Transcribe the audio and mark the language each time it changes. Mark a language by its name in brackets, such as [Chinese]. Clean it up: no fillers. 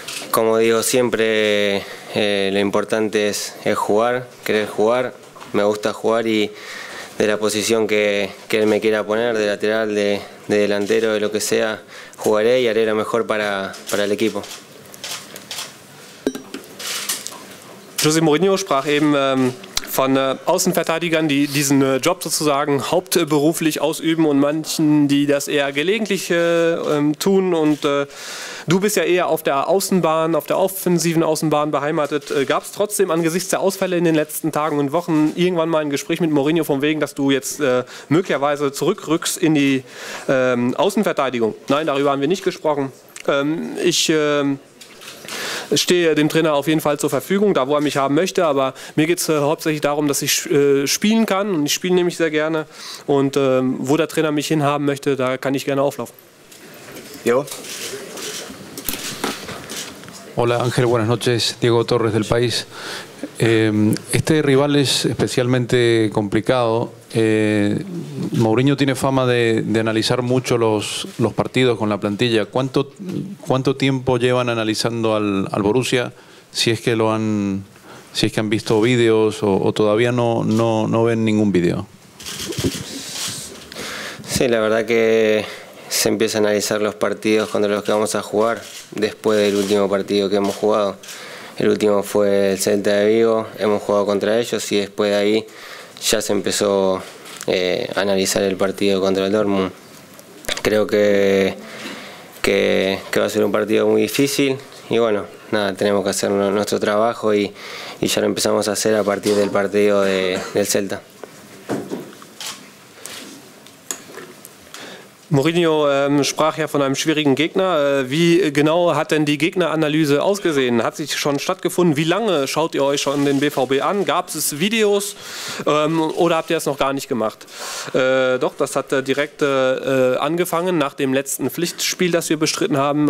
[Spanish] Como digo siempre, lo importante es jugar, querer jugar. Me gusta jugar y de la posición que él me quiera poner, de lateral, de delantero, de lo que sea, jugaré y haré lo mejor para el equipo. [German] José Mourinho sprach eben von Außenverteidigern, die diesen Job sozusagen hauptberuflich ausüben und manchen, die das eher gelegentlich tun. Und du bist ja eher auf der Außenbahn, auf der offensiven Außenbahn beheimatet. Gab es trotzdem angesichts der Ausfälle in den letzten Tagen und Wochen irgendwann mal ein Gespräch mit Mourinho von wegen, dass du jetzt möglicherweise zurückrückst in die Außenverteidigung? Nein, darüber haben wir nicht gesprochen. Ich stehe dem Trainer auf jeden Fall zur Verfügung, da wo er mich haben möchte, aber mir geht es hauptsächlich darum, dass ich spielen kann und ich spiele nämlich sehr gerne und wo der Trainer mich hinhaben möchte, da kann ich gerne auflaufen. Jo. [Spanish] Hola Ángel, buenas noches. Diego Torres del País. Este rival es especialmente complicado. Mourinho tiene fama de analizar mucho los partidos con la plantilla. ¿Cuánto tiempo llevan analizando al Borussia? Si es que han visto vídeos o todavía no ven ningún vídeo. Sí, la verdad que se empieza a analizar los partidos contra los que vamos a jugar después del último partido que hemos jugado. El último fue el Celta de Vigo, hemos jugado contra ellos y después de ahí ya se empezó a analizar el partido contra el Dortmund. Creo que va a ser un partido muy difícil y bueno, nada, tenemos que hacer nuestro trabajo y ya lo empezamos a hacer a partir del partido del Celta. [German] Mourinho sprach ja von einem schwierigen Gegner. Wie genau hat denn die Gegneranalyse ausgesehen? Hat sich schon stattgefunden? Wie lange schaut ihr euch schon den BVB an? Gab es Videos oder habt ihr es noch gar nicht gemacht? Doch, das hat direkt angefangen nach dem letzten Pflichtspiel, das wir bestritten haben.